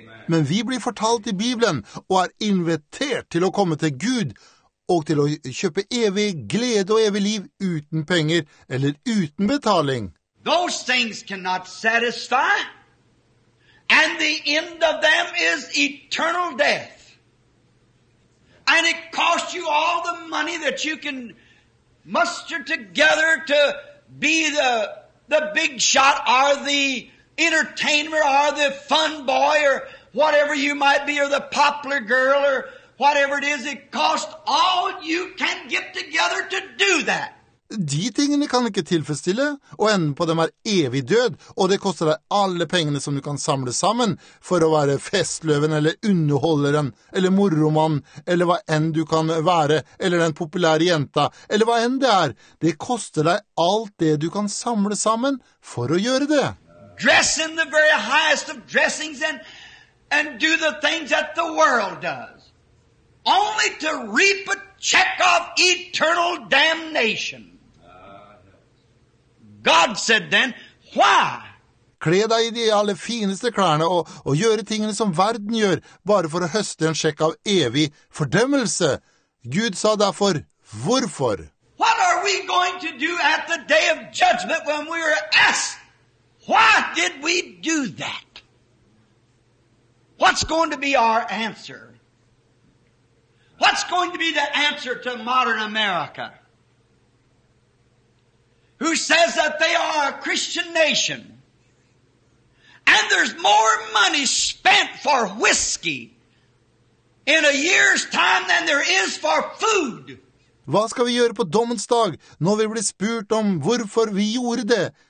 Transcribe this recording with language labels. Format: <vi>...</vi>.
<no>Men vi blir fortalt i Bibelen og invitert til å komme til Gud og til å kjøpe evig glede og evig liv uten penger eller uten betaling.</no> <en>Those things cannot satisfy. And the end of them is eternal death. And it costs you all the money that you can muster together to be the big shot or the entertainer or the fun boy or whatever you might be or the popular girl or whatever it is. It costs all you can get together to do that.</en> <no>De tingene kan ikke tilfredsstille, og enden på dem evig død, og det koster deg alle pengene som du kan samle sammen for å være festløven, eller underholderen, eller morroman, eller hva enn du kan være, eller den populære jenta, eller hva enn det Det koster deg alt det du kan samle sammen for å gjøre det.</no> <en>Dress in the very highest of dressings and do the things that the world does. Only to reap a check of eternal damnation. God said then, why?</en> <no>Kle deg i de aller fineste klærne og gjøre tingene som verden gjør, bare for å høste en sjekk av evig fordømmelse. Gud sa derfor, hvorfor?</no> <en>What are we going to do at the day of judgment when we are asked, why did we do that? What's going to be our answer? What's going to be the answer to modern America? Who says that they are a Christian nation? And there's more money spent for whiskey in a year's time than there is for food.</en> <no>Hva skal vi gjøre på dommens dag når vi blir spurt om hvorfor vi gjorde det?</no>